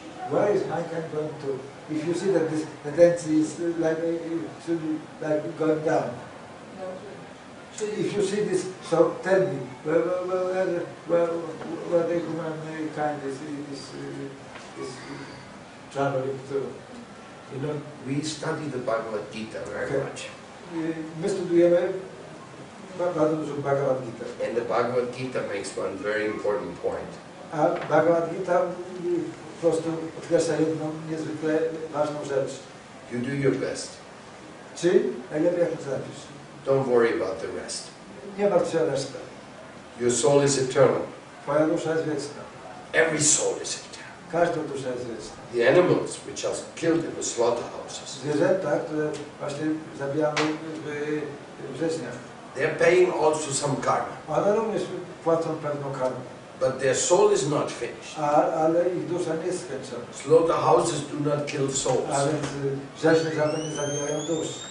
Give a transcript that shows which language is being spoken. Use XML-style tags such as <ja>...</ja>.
<en>Where is mankind going to? If you see that this tendency is like going down. If you see this, so tell me, where the human kind is traveling to? You know, we study the Bhagavad Gita very much.</en> <pl>My studujemy bardzo dużo Bhagavad Gita.</pl> <en>And the Bhagavad Gita makes one very important point.</en> <pl>A Bhagavad Gita po prostu podkreśla jedną niezwykle ważną rzecz.</pl> <en>You do your best.</en> <pl>Czy najlepiej jak to zrobisz?</pl> <en>Don't worry about the rest.</en> <pl>Nie martw się o resztę.</pl> <en>Your soul is eternal.</en> <pl>Twoja dusza jest wieczna.</pl> <en>Every soul is eternal.</en> <pl>Każda dusza jest wieczna.</pl> <en>The animals which are killed in the slaughterhouses.</en> <pl>Zwierzęta, które właśnie zabijamy w wrześniach.</pl> <en>They're paying also some karma.</en> <pl>One również płacą pewną karmę.</pl> <en>But their soul is not finished.</en> <pl>Ale ich dusza nie jest skończona.</pl> <en>Slaughterhouses do not kill souls.</en> <pl>Ale wrześnie żadne nie zabijają dusz.</pl>